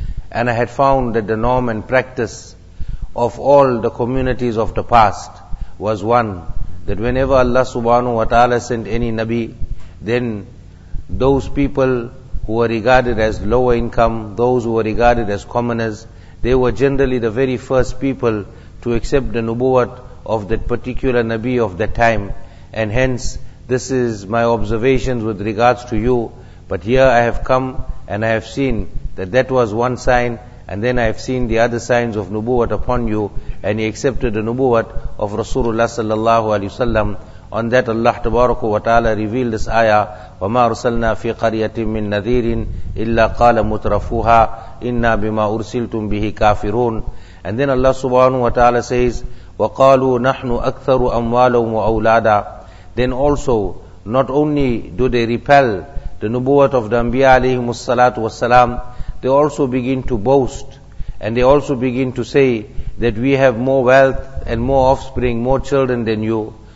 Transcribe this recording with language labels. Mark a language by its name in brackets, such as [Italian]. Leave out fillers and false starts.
[English] and I had found that the norm and practice of all the communities of the past was one, that whenever Allah Subhanahu Wa Ta'ala sent any Nabi, then those people who were regarded as lower income, those who were regarded as commoners, they were generally the very first people to accept the nubuwat of that particular Nabi of that time. And hence, this is my observations with regards to you. But here I have come and I have seen that that was one sign, and then I have seen the other signs of nubuwat upon you. And he accepted the nubuwat of Rasulullah Sallallahu Alaihi Wasallam [Arabic] On that Allah tabaraka wa ta'ala revealed this ayah, وَمَا أَرْسَلْنَا فِي قَرْيَةٍ مِّن نَذِيرٍ إِلَّا قَالَ مُتْرَفُوهَا إِنَّا بِمَا أُرْسِلْتُمْ بِهِ كَافِرُونَ. [English] And then Allah subhanahu wa ta'ala says, وَقَالُوا نَحْنُ أَكْثَرُ أَمْوَالًا وَأَوْلَادًا. Then also, not only do they repel the nubuwat of the Anbiya alayhim as-salatu was-salam, they also begin to boast, and they also begin to say that we have more wealth and more offspring, more children than you.